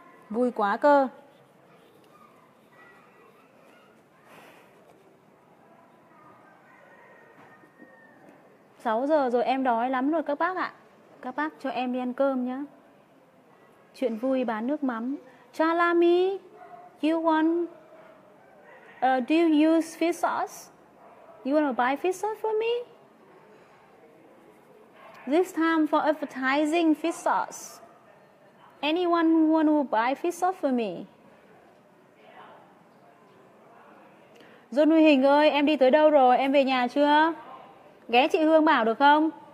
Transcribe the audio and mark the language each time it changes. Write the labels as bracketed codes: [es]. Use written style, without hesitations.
[vi] Vui quá cơ. Sáu giờ rồi, em đói lắm rồi các bác ạ. Các bác cho em đi ăn cơm nhé. Chuyện vui bán nước mắm. [en] Chalami, you want, do you use fish sauce? You want to buy fish sauce for me? This time for advertising fish sauce. Anyone who want to buy fish sauce for me? [vi] John Huy Hình ơi, em đi tới đâu rồi? Em về nhà chưa? Ghé chị Hương Bảo được không?